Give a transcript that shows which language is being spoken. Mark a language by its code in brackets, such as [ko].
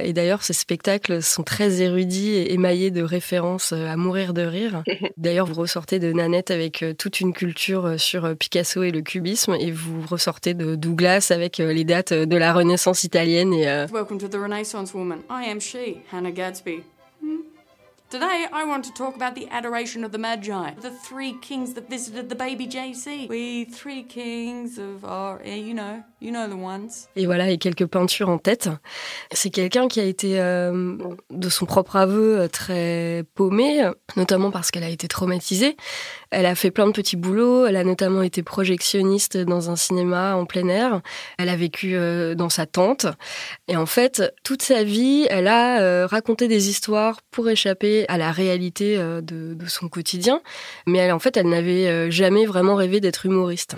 [fr] Et d'ailleurs, ses spectacles sont très érudits et émaillés de références à mourir de rire. D'ailleurs, vous ressortez de Nanette avec toute une culture sur Picasso et le cubisme, et vous ressortez de Douglas avec les dates de la Renaissance italienne. Et, [en] Welcome to the Renaissance woman. I am she, Hannah Gatsby. Today, I want to talk about the adoration of the Magi, the three kings that visited the baby JC. We three kings of our, you know the ones. [fr] Et voilà, et quelques peintures en tête. C'est quelqu'un qui a été, de son propre aveu, très paumé, notamment parce qu'elle a été traumatisée. Elle a fait plein de petits boulots, elle a notamment été projectionniste dans un cinéma en plein air, elle a vécu dans sa tente, et en fait, toute sa vie, elle a raconté des histoires pour échapper à la réalité de son quotidien, mais elle, en fait, elle n'avait jamais vraiment rêvé d'être humoriste.